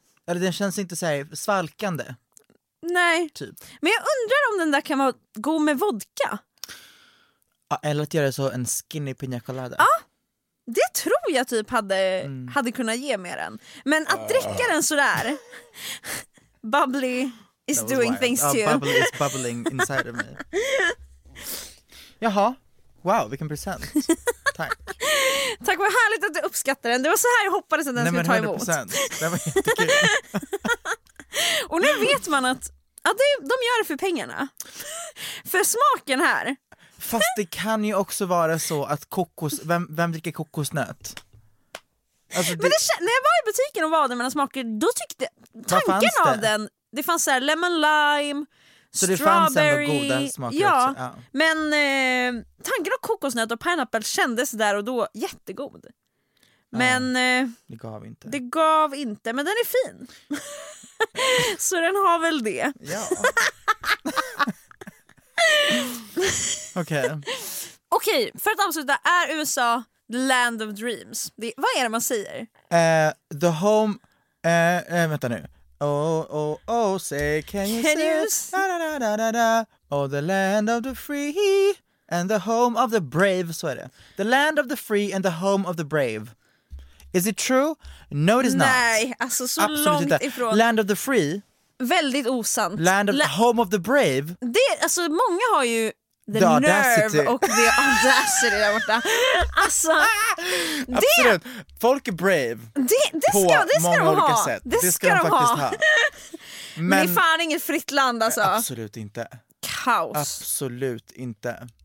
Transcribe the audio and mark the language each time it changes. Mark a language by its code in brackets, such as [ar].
[sv] Eller den känns inte så här svalkande. Nej. Typ. Men jag undrar om den där kan vara god med vodka. Ja, eller att göra så en skinny piña colada. Ja, det tror jag typ hade, hade kunnat ge mer än. Men att dricka den så där. [en] Bubbly is doing things to you. Bubbly is bubbling inside of me. [sv] Jaha. Wow, vilken present. Tack. Tack, vad härligt att du uppskattar den. Det var så här jag hoppades att den skulle ta emot. 100%. Det var jättekul. Och nu vet man att, de gör det för pengarna. För smaken här. Fast det kan ju också vara så att kokos... Vem dricker kokosnöt? Alltså det... Men det, när jag var i butiken och var där med den smaker, då tyckte tanken det? Av den, det fanns så här lemon lime, så strawberry. Det fanns ändå goda smaker, ja, också. Ja. Men tanken av kokosnöt och pineapple kändes där och då jättegod. Men det gav inte. Det gav inte, men den är fin. Så den har väl det. Ja. Okej. [en] Okay. [sv] Okej, okay, för att avsluta, är USA [en] the land of dreams? [sv] Det, vad är det man säger? [en] The home... [sv] vänta nu. [en] Oh, say can you say oh, the land of the free and the home of the brave. [sv] Så är det. [en] The land of the free and the home of the brave. Is it true? No, it is not. [sv] Nej, alltså så absolut långt ifrån. [en] Land of the free. [sv] Väldigt osant. [en] Land of the home of the brave. [sv] Det, alltså många har ju... [en] The audacity. [sv] Nerve och [en] the audacity [sv] där borta. Alltså, absolut. Folk är brave. Det ska många de olika ha. Sätt. Det ska de faktiskt ha. Men det är fan inget fritt land, alltså. Absolut inte. Kaos. Absolut inte.